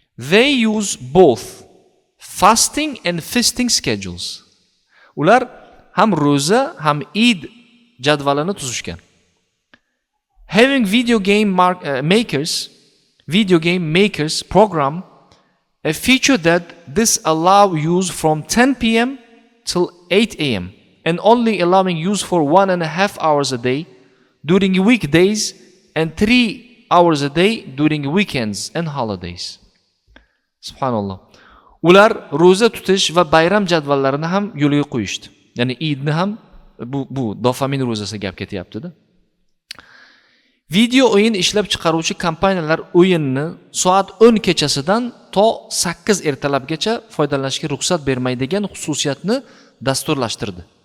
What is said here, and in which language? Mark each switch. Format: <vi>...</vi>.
<en>They use both fasting and feasting schedules.</en> <uz>Ular ham ro'za, ham Eid jadvalini tuzishgan.</uz> <en>Having video game makers program a feature that disallow use from 10 p.m. till 8 a.m. and only allowing use for 1.5 hours a day during weekdays and 3 hours a day during weekends and holidays.</en> <ar>Subhanallah.</ar> <uz>Ular ro'za tutish va bayram jadvallarini ham yo'lga qo'yishdi. Ya'ni Eidni ham bu dopamin ro'zasi gap ketyaptida. Video o'yin ishlab chiqaruvchi kompaniyalar o'yinni soat 10 kechasidan to 8 ertalabgacha foydalanishga ruxsat bermaydigan xususiyatni dasturlashtirdi.</uz>